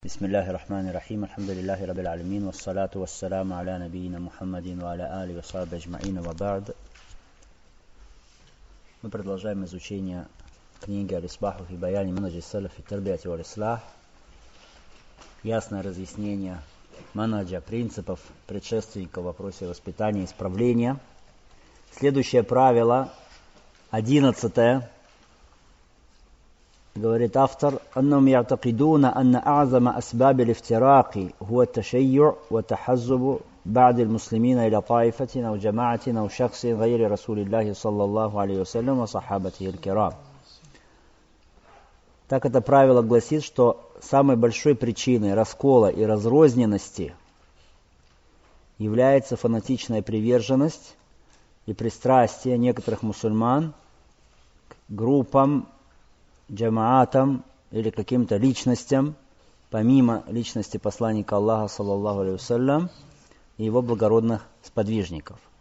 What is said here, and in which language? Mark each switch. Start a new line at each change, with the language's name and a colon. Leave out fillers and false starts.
Arabic: بسم الله الرحمن الرحيم الحمد لله رب العالمين والصلاة والسلام على نبينا محمد وعلى آله وصحبه أجمعين وبعد
Russian: Мы продолжаем изучение книги
Arabic: Аль-Исбах фи баян манхаджи салаф фи тарбияти валислах.
Russian: Ясное разъяснение манхаджа, принципов предшественников в вопросе воспитания и исправления. Следующее правило, 11-е. Говорит автор,
Arabic: أنهم يعتقدون أن أعظم أسباب الافتراق هو التشيع والتحزب بعد المسلمين إلى طائفة أو جماعة أو شخص غير رسول الله صلى الله عليه وسلم وصحابته الكرام.
Russian: Так это правило гласит, что самой большой причиной раскола и разрозненности является фанатичная приверженность и пристрастие некоторых мусульман к группам, джамаатам или каким-то личностям, помимо личности посланника Аллаха, саллаллаху алейхи ва саллям, и его благородных сподвижников.